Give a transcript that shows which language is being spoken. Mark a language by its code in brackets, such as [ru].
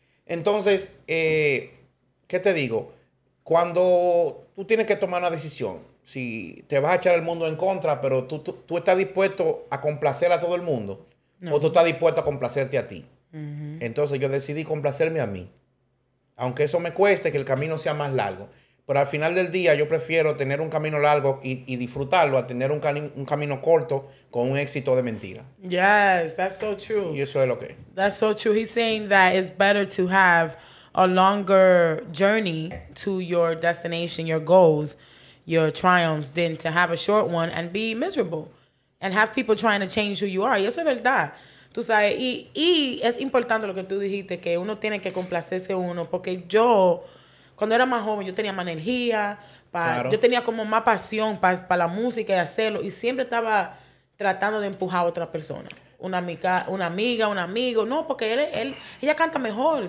[es] Entonces, ¿qué te digo? Cuando tú tienes que tomar una decisión, si te vas a echar el mundo en contra, pero tú estás dispuesto a complacer a todo el mundo, no. O tú estás dispuesto a complacerte a ti. Entonces yo decidí complacerme a mí. Aunque eso me cueste, que el camino sea más largo. Pero al final del día yo prefiero tener un camino largo y disfrutarlo a tener un camino corto con un éxito de mentira. [en] Yes, that's so true. [es] Y eso es lo que es. [en] That's so true. He's saying that it's better to have a longer journey to your destination, your goals, your triumphs, than to have a short one and be miserable. And have people trying to change who you are. [es] Y eso es verdad. Tú sabes, y es importante lo que tú dijiste, que uno tiene que complacerse uno. Porque yo, cuando era más joven, yo tenía más energía. Claro. Yo tenía como más pasión para la música y hacerlo. Y siempre estaba tratando de empujar a otra persona. Una amiga, un amigo. No, porque ella canta mejor.